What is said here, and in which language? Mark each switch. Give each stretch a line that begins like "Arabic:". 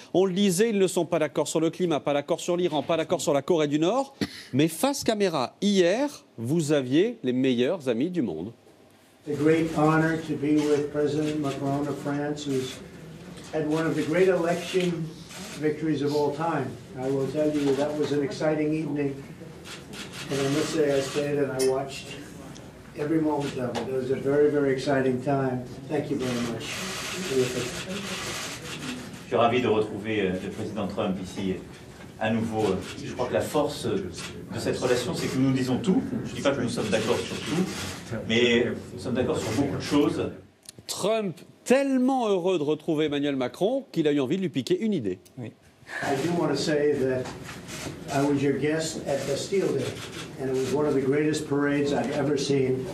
French: On le disait, ils ne sont pas d'accord sur le climat, pas d'accord sur l'Iran, pas d'accord sur la Corée du Nord. Mais face caméra, hier, vous aviez les meilleurs amis du monde. C'est un grand honneur d'être avec le président Macron de France, qui a eu une des grandes élections.
English: Victories of all time. I will tell you that was an exciting evening. And on this day, I stayed and I watched every moment of it. It was a very, very exciting time. Thank you very much.
French: Je suis ravi de retrouver le président Trump ici à nouveau. Je crois que la force de cette relation, c'est que nous disons tout. Je ne dis pas que nous sommes d'accord sur tout, mais nous sommes d'accord sur beaucoup de choses. Trump. Tellement heureux de retrouver Emmanuel Macron qu'il a eu envie de lui piquer une idée. Oui.
English: I do want to say that I was your guest at Bastille Day, and it was one of the greatest parades I've ever seen.